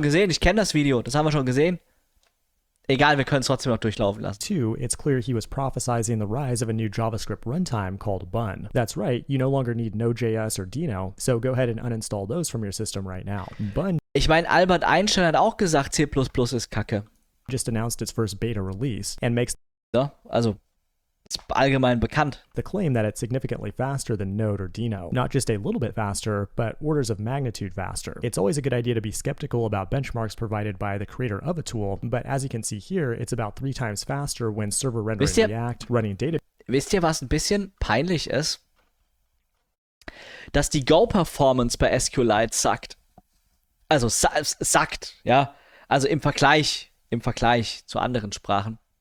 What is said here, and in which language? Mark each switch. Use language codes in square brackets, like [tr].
[de] Ich kenne das Video, das haben wir schon gesehen. Egal, wir können es trotzdem noch durchlaufen lassen. [en] Two, it's clear he was prophesizing the rise of a new JavaScript runtime called Bun. That's right, you no longer need Node.js or Dino, so go ahead and uninstall those from your system right now. Bun. [de] Ich meine, Albert Einstein hat auch gesagt, C++ ist Kacke. [en] Just announced its first beta release and makes. [de] Ja, also ist allgemein bekannt. [en] The claim that it's significantly faster than Node or Dino. Not just a little bit faster, but orders of magnitude faster. It's always a good idea to be skeptical about benchmarks provided by the creator of a tool, but as you can see here, it's about 3 times faster when server rendering React, running data. [de] Wisst ihr, was ein bisschen peinlich ist? Dass die Go-Performance bei SQLite sackt. Also sackt, ja. Also im Vergleich zu anderen Sprachen.